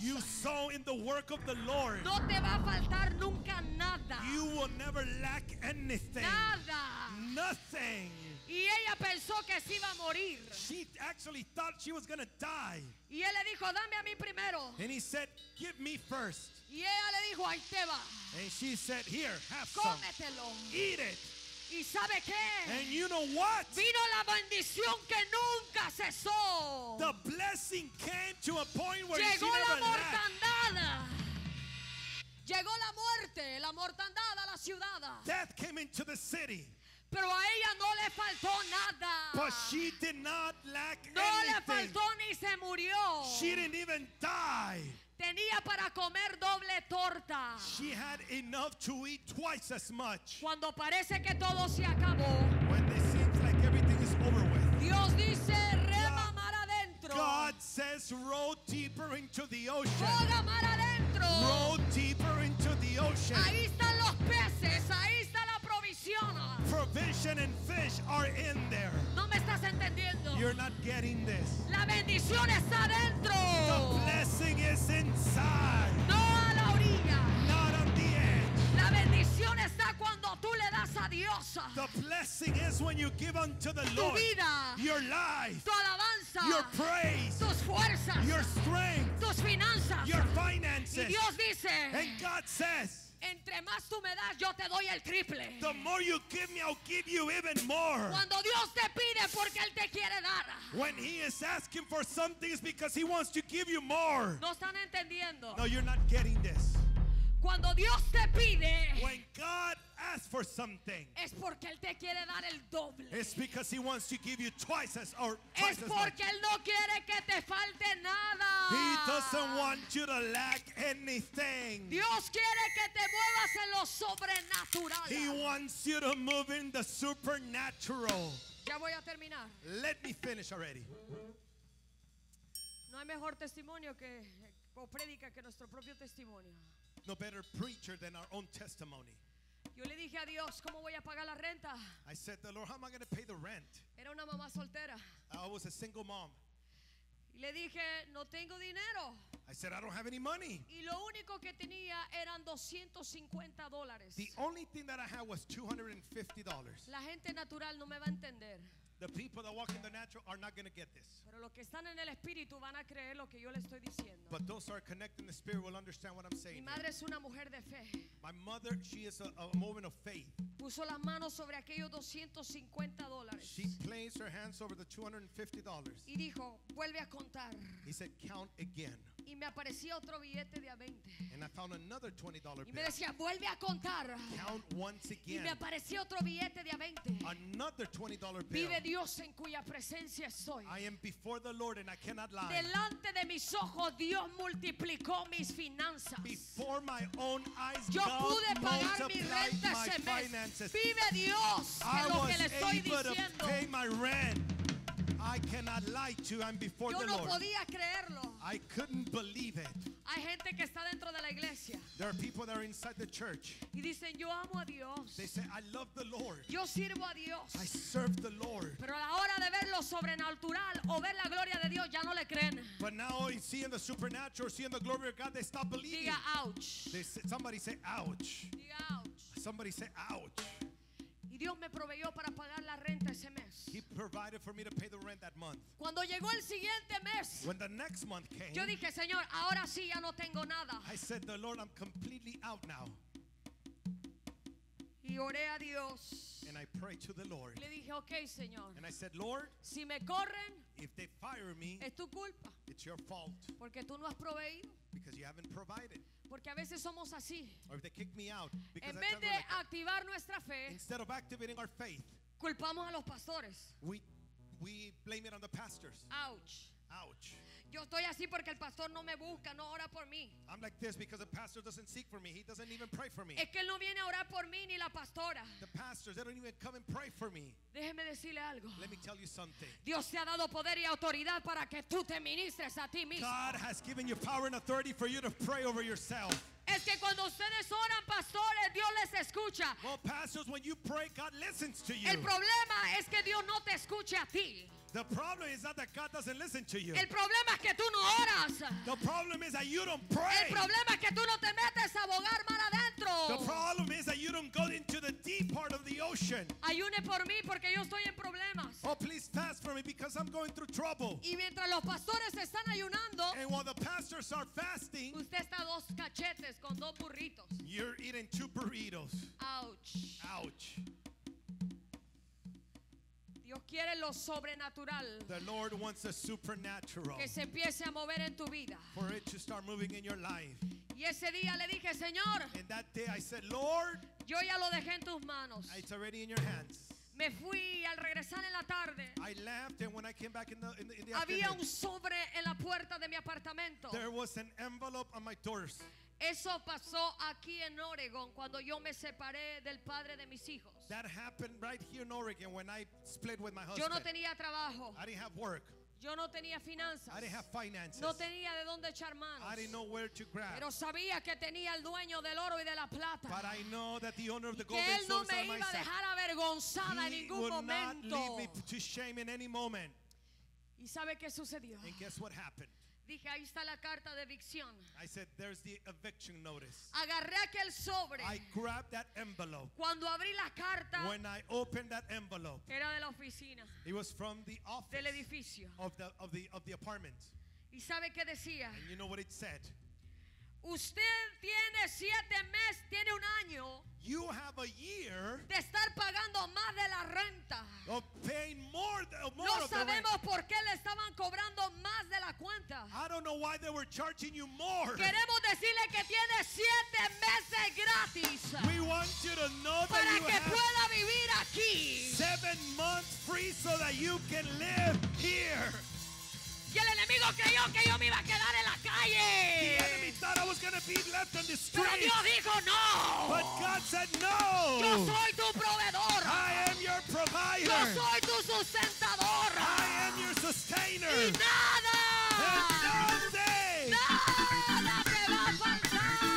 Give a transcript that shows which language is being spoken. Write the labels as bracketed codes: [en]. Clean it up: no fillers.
[en] You sow in the work of the Lord. [es] No te va a faltar nunca nada. [en] You will never lack anything. [es] Nada. [en] Nothing. [es] Y ella pensó que se iba a morir. [en] She actually thought she was going to die. [es] Y él le dijo, dame a mí primero. [en] And he said, give me first. [es] Y ella le dijo, ahí te va. [en] And she said, here, have [es] cómetelo. [en] Some. Eat it. [es] ¿Y sabe qué? [en] And you know what? [es] Vino la bendición que nunca cesó. [en] The blessing came to a point where [es] llegó [en] she [es] la mortandad. Llegó la muerte, la mortandad a la ciudad. [en] Death came into the city. [es] Pero a ella no le faltó nada. [en] But she did not lack [es] no [en] anything. [es] Le faltó ni se murió. [en] She didn't even die. [es] Tenía para comer doble torta. [en] She had enough to eat twice as much. [es] Cuando parece que todo se acabó. [en] When it seems like everything is over with. [es] Dios dice, rema mar adentro. [en] God says, row deeper into the ocean. [es] Joga mar adentro. [en] Row deeper into the ocean. [es] Ahí están los peces, ahí está la provisión. [en] Provision and fish are in there. [es] No me estás entendiendo. [en] You're not getting this. [es] La bendición está dentro. [en] The blessing is inside. [es] No a la orilla. [en] Not on the edge. [es] La bendición está cuando tú le das a Dios. [en] The blessing is when you give unto the Lord. [es] Tu vida. [en] Your life. [es] Tu alabanza. [en] Your praise. [es] Tus fuerzas. [en] Your strength. [es] Tus finanzas. [en] Your finances. [es] Y Dios dice. [en] And God says. [es] Entre más tú me das, yo te doy el triple. [en] The more you give me, I'll give you even more. [es] Cuando Dios te pide porque él te quiere dar. [en] When he is asking for something, it's because he wants to give you more. [es] No están entendiendo. [en] No, you're not getting this. [es] Cuando Dios te pide. [en] When God asks for something. [es] Es porque él te quiere dar el doble. [en] It's because he wants to give you twice as or twice [es] es porque [en] as much. [es] Él no quiere que te falte nada. [en] He doesn't want you to lack anything. [es] Dios quiere que te muevas en lo sobrenatural. [en] He wants you to move in the supernatural. [es] Ya voy a terminar. [en] Let me finish already. [es] No hay mejor testimonio que o predica que nuestro propio testimonio. [en] No better preacher than our own testimony. [es] Yo le dije a Dios, ¿cómo voy a pagar la renta? [en] I said, the Lord, how am I going to pay the rent? [es] Era una mamá soltera. [en] I was a single mom. [es] Y le dije, no tengo dinero. [en] I said, I don't have any money. [es] Y lo único que tenía eran $250. [en] The only thing that I had was $250. [es] La gente natural no me va a entender. [en] The people that walk in the natural are not going to get this. [es] Pero los que están en el espíritu van a creer lo que yo les estoy diciendo. [en] But those who are connected in the spirit will understand what I'm saying. [es] Mi madre es una mujer de fe. [en] My mother, she is a woman of faith. [es] Puso las manos sobre aquellos $250. [en] She placed her hands over the $250. [es] Y dijo, vuelve a contar. [en] He said, count again. [es] Y me aparecía otro billete de a 20. [en] And I found another $20 bill. [es] Y me decía, vuelve a contar. [en] Count once again. [es] Y me aparecía otro billete de a 20. [en] Another $20 bill. [es] Vive Dios en cuya presencia estoy. [en] I am before the Lord and I cannot lie. [es] Delante de mis ojos Dios multiplicó mis finanzas. [en] Before my own eyes, [es] yo [en] God [es] pude pagar mi renta ese mes. [en] Finances. [es] Vive Dios en lo que le estoy diciendo. [en] I was able to pay my rent. I cannot lie to you. I'm before [es] yo [en] the [es] no [en] Lord. [es] Podía creerlo. [en] I couldn't believe it. [es] Hay gente que está dentro de la iglesia. [en] There are people that are inside the church. [es] Y dicen, yo amo a Dios. [en] They say, I love the Lord. [es] Yo sirvo a Dios. [en] I serve the Lord. [es] Pero a la hora de ver lo sobrenatural o ver la gloria de Dios, ya no le creen. [en] But now seeing the supernatural, seeing the glory of God, they stop believing. [es] Diga, ouch. [en] They say, somebody say, ouch. [es] Diga, ouch. [en] Somebody say, ouch. [es] Y Dios me proveyó para pagar la renta ese mes. [en] He provided for me to pay the rent that month. [es] Cuando llegó el siguiente mes, [en] when the next month came, [es] yo dije, Señor, ahora sí ya no tengo nada. [en] I said, the Lord, I'm completely out now. [es] Y oré a Dios. [en] And I prayed to the Lord. [es] Le dije, okay, Señor. [en] And I said, Lord, [es] si me corren, [en] if they fire me, [es] es tu culpa. [en] It's your fault. [es] Porque tú no has proveído. [en] Because you haven't provided. [es] Porque a veces somos así. [en] Or if they kick me out. [es] En vez de activar nuestra fe, [en] instead of activating our faith, [es] culpamos a los pastores. [en] We blame it on the pastors. Ouch. Ouch. [es] Yo estoy así porque el pastor no me busca, no ora por mí. [en] I'm like this because the pastor doesn't seek for me. He doesn't even pray for me. [es] Es que él no viene a orar por mí ni la pastora. [en] The pastors, they don't even come and pray for me. [es] Déjeme decirle algo. [en] Let me tell you something. [es] Dios te ha dado poder y autoridad para que tú te ministres a ti mismo. [en] God has given you power and authority for you to pray over yourself. [es] Es que cuando ustedes oran, pastores, Dios les escucha. [en] Well, pastors, when you pray, God listens to you. [es] El problema es que Dios no te escucha a ti. [en] The problem is not that God doesn't listen to you. [es] El problema es que tú no oras. [en] The problem is that you don't pray. [es] El problema es que tú no te metes a bogar mal adentro. [en] The problem is that you don't go into the deep part of the ocean. [es] Ayune por mí porque yo estoy en problemas. [en] Oh, please fast for me because I'm going through trouble. [es] Y mientras los pastores están ayunando, [en] and while the pastors are fasting, [es] usted está dos cachetes con dos burritos. [en] You're eating two burritos. Ouch. Ouch. [es] Dios quiere lo sobrenatural. [en] The Lord wants the supernatural. [es] Que se empiece a mover en tu vida. [en] For it to start moving in your life. [es] Y ese día le dije, Señor. [en] And that day I said, Lord. [es] Yo ya lo dejé en tus manos. [en] It's already in your hands. [es] Me fui al regresar en la tarde. [en] I left and when I came back in the [es] había un sobre en la puerta de mi apartamento. [en] There was an envelope on my doors. [es] Eso pasó aquí en Oregon cuando yo me separé del padre de mis hijos. [en] That happened right here in Oregon when I split with my husband. [es] Yo no tenía trabajo. [en] I didn't have work. [es] Yo no tenía finanzas. [en] I didn't have finances. [es] No tenía de dónde echar manos. [en] I didn't know where to grab. [es] Pero sabía que tenía el dueño del oro y de la plata. [en] But I know that the owner of the gold and silver. [es] Él no me iba a dejar avergonzada en ningún momento. [en] He would not leave me to shame in any moment. [es] ¿Y sabe qué sucedió? [en] And guess what happened? [es] Dije, ahí está la carta de evicción. [en] I said, there's the eviction notice. [es] Agarré aquel sobre. [en] I grabbed that envelope. [es] Cuando abrí la carta, [en] when I opened that envelope, [es] era de la oficina. [en] It was from the office. [es] Del edificio. [en] Of the apartment. [es] ¿Y sabe qué decía? [en] And you know what it said? [es] Usted tiene siete meses, tiene un año. [en] You have a year [es] de estar pagando más de la renta. [en] Of paying more [es] no [en] of [es] sabemos [en] the rent. [es] Por qué le estaban cobrando más de la cuenta. [en] I don't know why they were charging you more. [es] Queremos decirle que tiene siete meses gratis. [en] We want you to know [es] para [en] that [es] que pueda vivir aquí. [en] 7 months free so that you can live here. [es] Y el enemigo creyó que yo me iba a quedar en la calle. [en] The enemy thought I was going to be left on the street. [es] Pero Dios dijo no. [en] But God said no. [es] Yo soy tu proveedor. [en] I am your provider. [es] Yo soy tu sustentador. [en] I am your sustainer. [es] Y nada. [en] And nothing. [es] Nada te va a faltar.